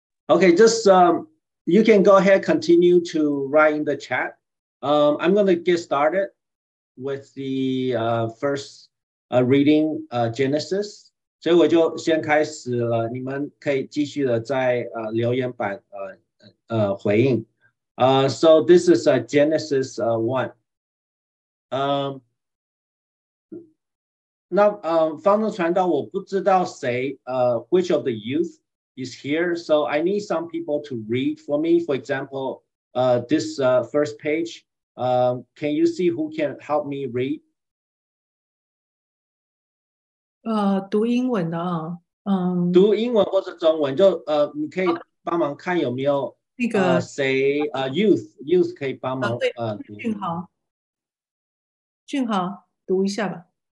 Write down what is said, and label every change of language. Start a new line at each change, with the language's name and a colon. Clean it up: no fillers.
English: Okay, just you can go ahead, continue to write in the chat. I'm going to get started with the first reading Genesis.
Chinese: 所以我就先开始了，你们可以继续的在留言板回应。
English: So this is Genesis 1. Now, 方正传道，
Chinese: 我不知道谁
English: which of the youth. Is here, so I need some people to read for me. For example, this first page. Can you see who can help me read?
Chinese: 读英文的啊，读英文或者中文，就你可以帮忙看有没有那个谁
English: youth
Chinese: 可以帮忙对，俊豪，读一下吧。